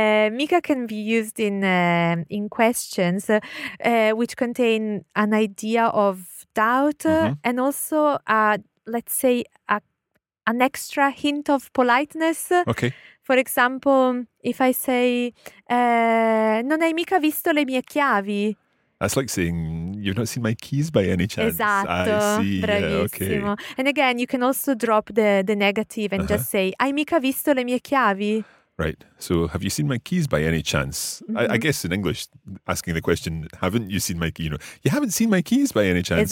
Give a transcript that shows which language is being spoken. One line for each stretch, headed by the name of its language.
English: mica can be used in questions which contain an idea of doubt and also, let's say, an extra hint of politeness. Okay. For example, if I say,
Italian: non hai mica visto le mie chiavi?
English: That's like saying, you've not seen my keys by any chance.
Italian: Esatto.
English: I see.
Italian: Bravissimo.
English: Yeah, okay. And again, you can also drop the negative and just say,
Italian: hai mica visto le mie chiavi?
English: Right. So, have you seen my keys by any chance? I guess in English, asking the question, haven't you seen my keys? You know, you haven't seen my keys by any chance.